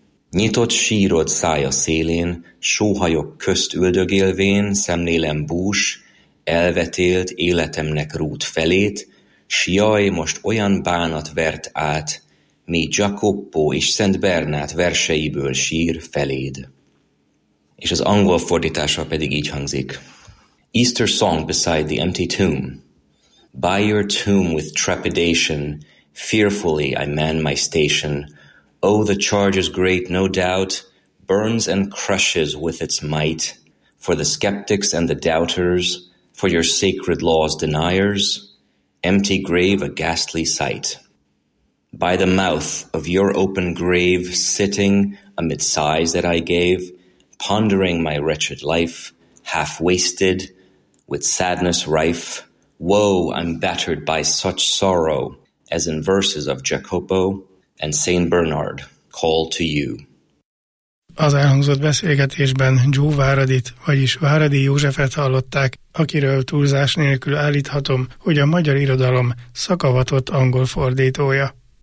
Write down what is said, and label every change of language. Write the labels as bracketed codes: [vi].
[hu] Nyitott sírod szája szélén, sóhajok közt üldögélvén, szemlélem bús, elvetélt életemnek rút felét, s jaj, most olyan bánat vert át, mi Jacopo és Szent Bernát verseiből sír feléd. És az angol fordítása pedig így hangzik. [en] Easter song beside the empty tomb. By your tomb with trepidation, fearfully I man my station. Oh, the charge is great, no doubt, burns and crushes with its might. For the skeptics and the doubters, for your sacred law's deniers, empty grave a ghastly sight. By the mouth of your open grave, sitting amid sighs that I gave, pondering my wretched life, half wasted, with sadness rife, woe, I'm battered by such sorrow, as in verses of Jacopo and Saint Bernard call to you. [hu] Az elhangzott beszélgetésben Joe Váradit, vagyis Váradi Józsefet hallották, akiről túlzás nélkül állíthatom, hogy a magyar irodalom szakavatott angol fordítója.